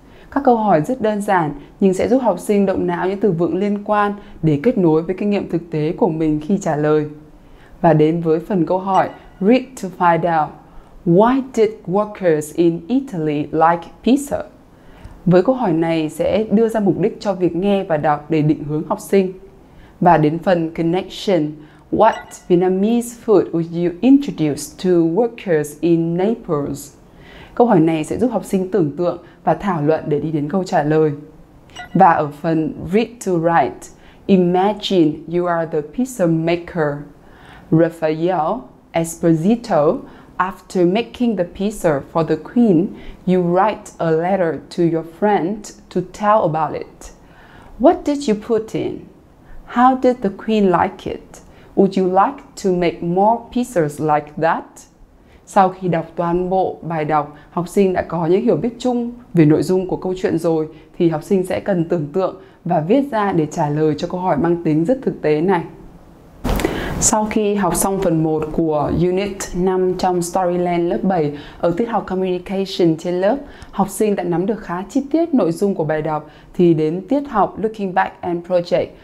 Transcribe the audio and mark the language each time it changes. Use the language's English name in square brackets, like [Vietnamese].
[Vietnamese] Các câu hỏi rất đơn giản nhưng sẽ giúp học sinh động não những từ vựng liên quan để kết nối với kinh nghiệm thực tế của mình khi trả lời. Và đến với phần câu hỏi [English] Read to find out. Why did workers in Italy like pizza? [Vietnamese] Với câu hỏi này sẽ đưa ra mục đích cho việc nghe và đọc để định hướng học sinh. Và đến phần [English] connection, what Vietnamese food would you introduce to workers in Naples? [Vietnamese] Câu hỏi này sẽ giúp học sinh tưởng tượng và thảo luận để đi đến câu trả lời. Và ở phần [English] read to write, imagine you are the pizza maker. Rafael Esposito, after making the pizza for the queen, you write a letter to your friend to tell about it. What did you put in? How did the queen like it? Would you like to make more pizzas like that? [Vietnamese] Sau khi đọc toàn bộ bài đọc, học sinh đã có những hiểu biết chung về nội dung của câu chuyện rồi, thì học sinh sẽ cần tưởng tượng và viết ra để trả lời cho câu hỏi mang tính rất thực tế này. Sau khi học xong phần 1 của Unit 5 trong Storyland lớp 7 ở tiết học Communication trên lớp, học sinh đã nắm được khá chi tiết nội dung của bài đọc, thì đến tiết học Looking Back and Project,